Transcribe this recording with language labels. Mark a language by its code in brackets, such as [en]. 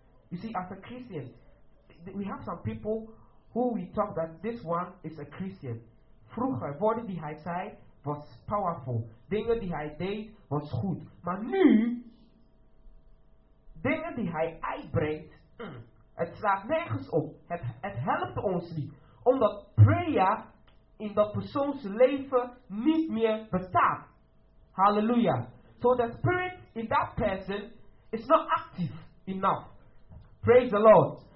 [en] You see, as a Christian, we have some people who we talk that this one is a Christian. [nl] Vroeger, voor die hij zei, was powerful. Dingen die hij deed was goed. Maar nu, dingen die hij uitbrengt, het slaat nergens op. Het helpt ons niet. Omdat prayer in dat persoons leven niet meer bestaat. [en] Hallelujah. So the spirit in that person is not active enough. Praise the Lord.